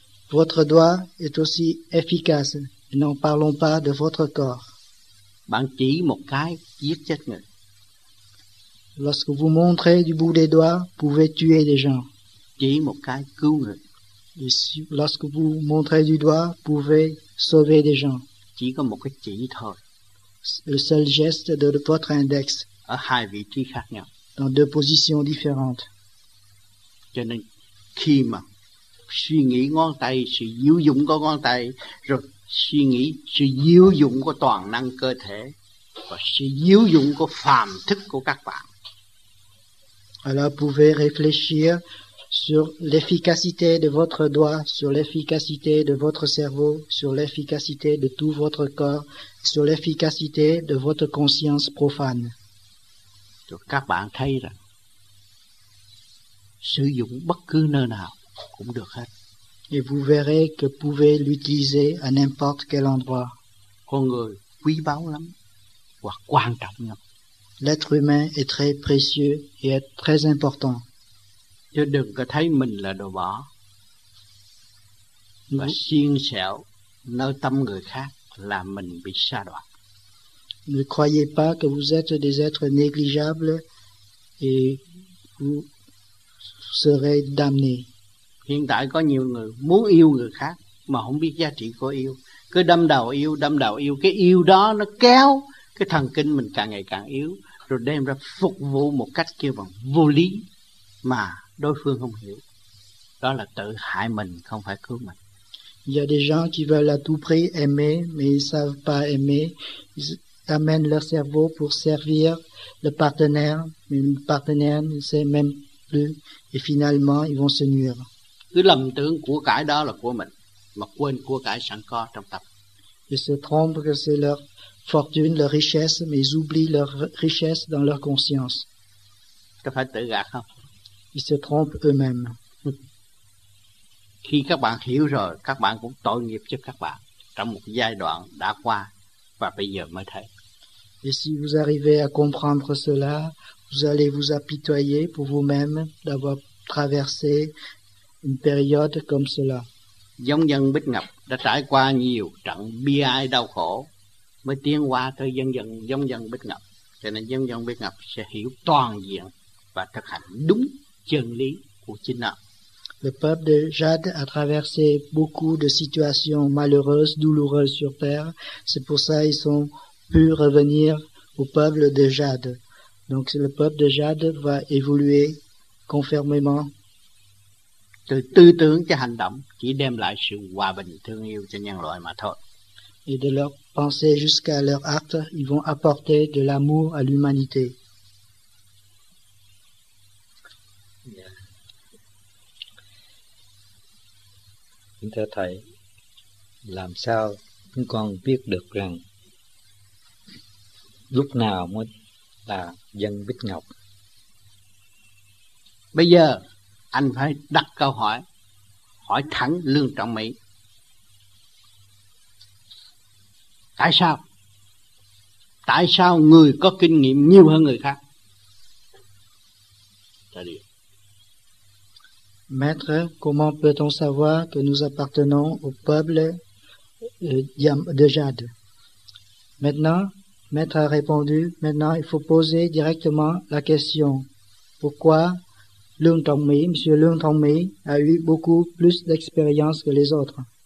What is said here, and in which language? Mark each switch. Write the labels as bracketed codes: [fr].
[fr] Votre doigt est aussi efficace, n'en parlons pas de votre corps. [vi] Bạn chỉ một cái giết chết người. [fr] Lorsque vous montrez du bout des doigts, vous pouvez tuer des gens. [vi] Chỉ một cái cứu người. [fr] Et si, lorsque vous montrez du doigt, vous pouvez sauver des gens. [vi] Chỉ có một cái chỉ thôi. [fr] Le seul geste de votre index. [vi] Ở hai vị trí khác nhau. [fr] Dans deux positions différentes. [vi] Cho nên khi mà suy nghĩ ngón tay, sự diệu dụng của ngón tay, rồi suy nghĩ sự diệu dụng của toàn năng cơ thể và sự diệu dụng của phàm thức của các bạn. [fr] Alors vous pouvez réfléchir sur l'efficacité de votre doigt, sur l'efficacité de votre cerveau, sur l'efficacité de tout votre corps, sur l'efficacité de votre conscience profane. [vi] Rồi các bạn thấy rằng sử dụng bất cứ nơi nào cũng được hết. [fr] Et vous verrez que pouvez l'utiliser à n'importe quel endroit. [vi] Con người quý báu lắm và quan trọng lắm. [fr] L'être humain est très précieux et est très important. [vi] Chứ đừng có thấy mình là đồ bỏ và xiên xẻo nơi tâm người khác là mình bị sa đọa. [fr] Ne croyez pas que vous êtes des êtres négligeables et vous serez damnés. [vi] Hiện tại có nhiều người muốn yêu người khác mà không biết giá trị của yêu. Cứ đâm đầu yêu, cái yêu đó nó kéo cái thần kinh mình càng ngày càng yếu, rồi đem ra phục vụ một cách kêu bằng vô lý mà đối phương không hiểu. Đó là tự hại mình, không phải cứu mình. [fr] Il y a des gens qui veulent à tout prix aimer, mais ils ne savent pas aimer. Ils amènent leur cerveau pour servir le partenaire, mais le partenaire ne sait même plus, et finalement, ils vont se nuire. [vi] Cứ lầm tưởng của cải đó là của mình, mà quên của cải sẵn có trong tâm. [fr] Ils se trompent que c'est leur fortune, leur richesse, mais ils oublient leur richesse dans leur conscience. [vi] Có phải tự gạt không? [fr] Ils se trompent eux-mêmes. [vi] Khi các bạn hiểu rồi, các bạn cũng tội nghiệp cho các bạn trong một giai đoạn đã qua và bây giờ mới thấy. [fr] Et si vous arrivez à comprendre cela, vous allez vous apitoyer pour vous-même d'avoir traversé une période comme cela. [vi] Giống dân Bích Ngập đã trải qua nhiều trận bi ai đau khổ mới tiến qua tới dân giống dân Bích Ngập. Cho nên dân Bích Ngập sẽ hiểu toàn diện và thực hành đúng chân lý của chính họ. [fr] Le peuple de Jade a traversé beaucoup de situations malheureuses, douloureuses sur Terre. C'est pour ça qu'ils ont pu revenir au peuple de Jade. Donc le peuple de Jade va évoluer conformément. [vi] Từ tư tưởng cho hành động chỉ đem lại sự hòa bình, thương yêu cho nhân loại mà thôi. [fr] Et de leur pensée jusqu'à leur acte, ils vont apporter de l'amour à l'humanité. [vi] Thưa thầy, làm sao chúng con biết được rằng lúc nào mới là dân Bích Ngọc? Bây giờ anh phải đặt câu hỏi, hỏi thẳng Lương Trọng Mỹ. Tại sao? Tại sao người có kinh nghiệm nhiều hơn người khác? Tại sao? [fr] Maître, comment peut-on savoir que nous appartenons au peuple de Jade? Maintenant, Maître a répondu, maintenant il faut poser directement la question. Pourquoi Lương Trọng Mỹ, M. Lương Trọng Mỹ, a eu beaucoup plus d'expérience que les autres?